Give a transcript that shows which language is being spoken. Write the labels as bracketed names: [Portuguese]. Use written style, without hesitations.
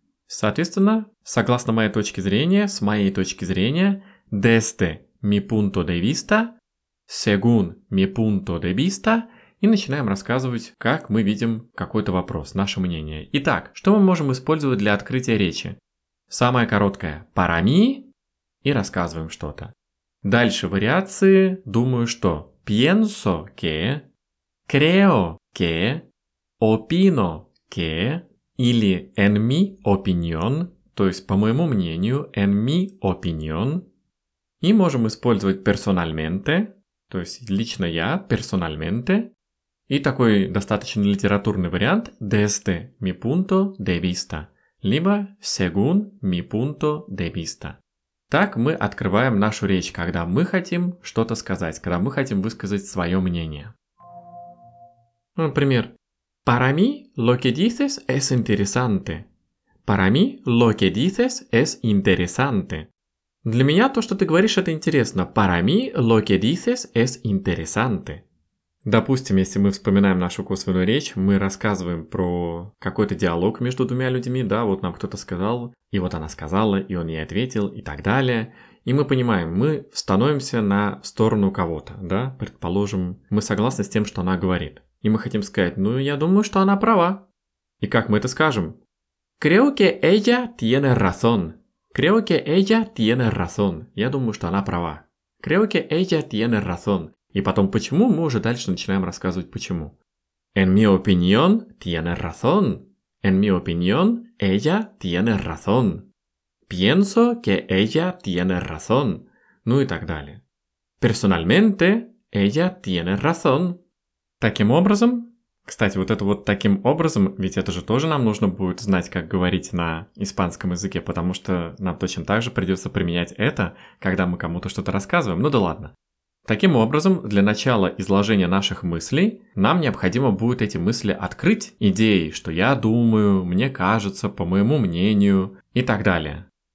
[Russian] Соответственно, согласно моей точке зрения, с моей точки зрения, [Spanish] desde mi punto de vista, [Russian] según mi punto de vista, и начинаем рассказывать, как мы видим какой-то вопрос, наше мнение. Итак, что мы можем использовать для открытия речи? Самое короткое [Spanish] «Para mí» [Russian] и рассказываем что-то. Дальше вариации «Думаю что». [Spanish] «Pienso que», «Creo que», «Opino que» или «En mi opinión», [Russian] то есть «По моему мнению», [Spanish] «En mi opinión». [Russian] И можем использовать «Personalmente», то есть «Лично я», «Personalmente». И такой достаточно литературный вариант [Spanish] «Desde mi punto de vista», [Russian] либо [Spanish] «Según mi punto de vista». [Russian] Так мы открываем нашу речь, когда мы хотим что-то сказать, когда мы хотим высказать свое мнение. [Spanish] Например, «Para mí lo que dices es interesante». «Para mí lo que dices es interesante». [Russian] «Для меня то, что ты говоришь, это интересно». [Spanish] «Para mí lo que dices es interesante». [Russian] Допустим, если мы вспоминаем нашу косвенную речь, мы рассказываем про какой-то диалог между двумя людьми, да, вот нам кто-то сказал, и вот она сказала, и он ей ответил, и так далее. И мы понимаем, мы становимся на сторону кого-то, да, предположим, мы согласны с тем, что она говорит. И мы хотим сказать, ну, я думаю, что она права. И как мы это скажем? [Spanish] Creo que ella tiene razón. Creo que ella tiene razón. [Russian] Я думаю, что она права. [Spanish] Creo que ella tiene razón. [Russian] И потом почему, мы уже дальше начинаем рассказывать почему. [Spanish] En mi opinión, tiene razón. En mi opinión, ella tiene razón. Pienso que ella tiene razón. [Russian] Ну и так далее. [Spanish] Personalmente, ella tiene razón. [Russian] Таким образом, кстати, вот это вот таким образом, ведь это же тоже нам нужно будет знать, как говорить на испанском языке, потому что нам точно так же придется применять это, когда мы кому-то что-то рассказываем. Ну да ладно. Таким образом, для начала изложения наших мыслей нам необходимо будет эти мысли открыть идеей, что я думаю, мне кажется, по моему мнению и так далее.